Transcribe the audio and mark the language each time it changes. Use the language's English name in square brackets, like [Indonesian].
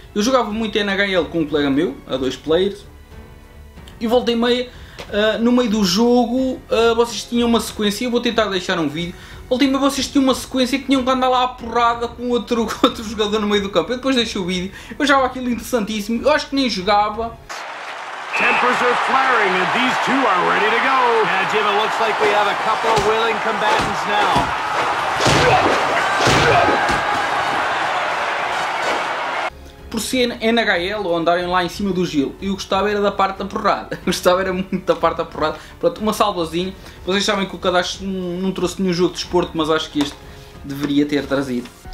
[Portuguese] Eu jogava muito NHL com um colega meu, a dois players, e voltei meia, no meio do jogo, vocês tinham uma sequência, eu vou tentar deixar um vídeo, voltei meia, vocês tinham uma sequência que tinham que andar lá à porrada com outro jogador no meio do campo. Eu depois deixei o vídeo, eu achava aquilo interessantíssimo, eu acho que nem jogava. [English] Tempers are flaring and these two are ready to go. Yeah, Jim, it looks like we have a couple of willing combatants now. [Portuguese] Por ser NHL ou andarem lá em cima do gelo, eu gostava era da parte da porrada. Gostava era muito da parte da porrada. Pronto, uma salvazinha. Vocês sabem que o Kadash não trouxe nenhum jogo de desporto, mas acho que este deveria ter trazido.